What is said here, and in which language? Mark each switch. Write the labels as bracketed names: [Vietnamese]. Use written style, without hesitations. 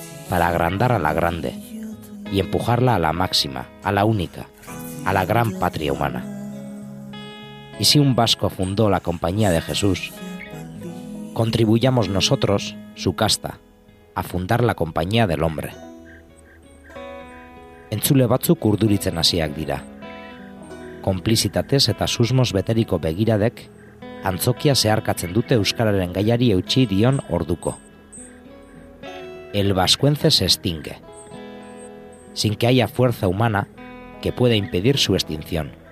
[Spanish] Para agrandar a la grande. Y empujarla a la máxima, a la única. A la gran patria humana. Y si un vasco fundó la Compañía de Jesús, contribuyamos nosotros, su casta, a fundar la Compañía del Hombre. [Basque] Entzule batzuk urduritzen hasiak dira. Konplizitatez eta susmoz beteriko begiradek, antzokia zeharkatzen dute euskararen gaiari eutxi dion orduko. [Spanish] El vascuence se extingue, sin que haya fuerza humana que pueda impedir su extinción.